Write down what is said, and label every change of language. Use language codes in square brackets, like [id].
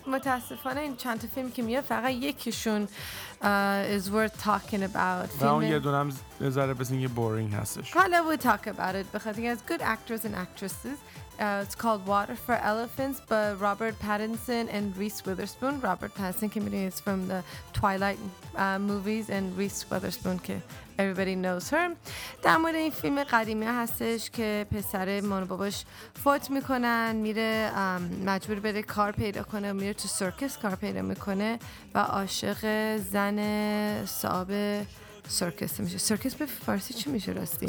[fa] متاسفانه این چند تا فیلم که میاد فقط یکیشون [en] is worth talking about. [fa] فیلم اون یه دونم ذره بسین یه بورینگ هستش. حالا [en] we'll talk about it because he has good actors and actresses. It's called Water for Elephants by Robert Pattinson and Reese Witherspoon. Robert Pattinson is from the Twilight movies and Reese Witherspoon [fa] که [en] everybody knows her. [fa] در مورد این فیلم قدیمی هستش که پسر مامان باباش فوت میکنن، میره مجبور بره کار پیدا کنه، میره تو سرکس کار پیدا میکنه و عاشق زن صاحب سرکس میشه. سرکس به فارسی چی میشه راستی؟